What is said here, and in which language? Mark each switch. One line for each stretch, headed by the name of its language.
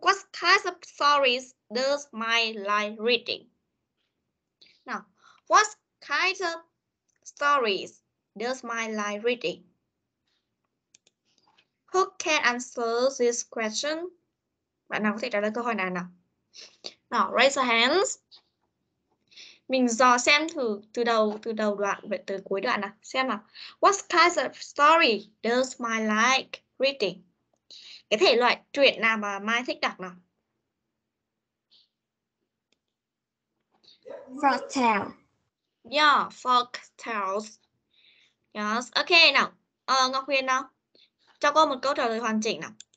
English: What kinds of stories does my like reading? Now, what kinds of stories does my like reading? Who can answer this question?
Vietnamese: Bạn nào có thể trả lời câu hỏi này nào?
English: Now raise your hands.
Vietnamese: Mình dò xem thử từ đầu đoạn về từ cuối đoạn nào. Xem nào.
English: What kinds of story does my like reading?
Vietnamese: Cái thể loại truyện nào mà Mai thích đọc nào?
English: Folk tale. Yeah, folk tales. Yes, okay nào. Ngọc Huyền nào.
Vietnamese: Cho cô một câu trả lời hoàn chỉnh nào.